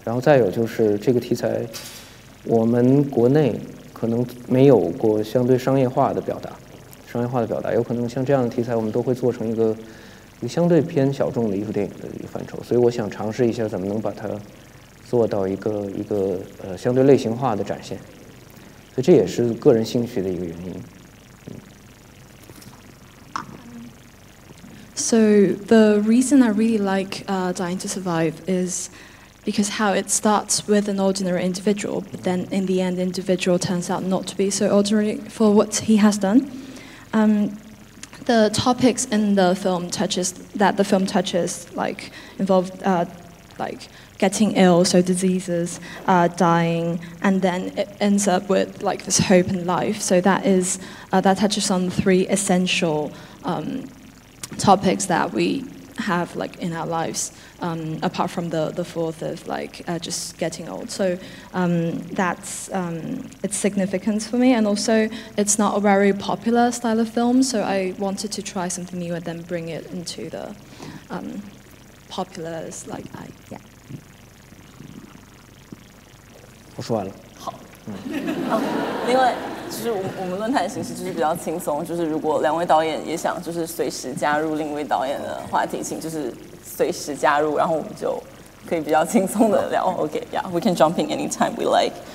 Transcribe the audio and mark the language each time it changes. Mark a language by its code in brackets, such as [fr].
[zh] 然后再有就是这个题材我们国内可能没有过相对商业化的表达，商业化的表达有可能像这样的题材我们都会做成一个相对偏小众的艺术电影的一个范畴，所以我想尝试一下怎么能把它做到一个相对类型化的展现，所以这也是个人兴趣的一个原因。 [en] So the reason I really like Dying to Survive is because how it starts with an ordinary individual, but then in the end, the individual turns out not to be so ordinary for what he has done. The topics in the film touches like involve like getting ill, so diseases, dying, and then it ends up with like this hope and life. So that is that touches on three essential topics that we have like in our lives, apart from the fourth of like just getting old. So that's it's significant for me, and also it's not a very popular style of film, so I wanted to try something new and then bring it into the popular like I, yeah. [zh] 我说完了。好。另外就是我们论坛形式就是比较轻松，就是如果两位导演也想就是随时加入另一位导演的话题，请就是随时加入，然后我们就可以比较轻松的聊。 [en] OK, yeah, we can jump in anytime we like.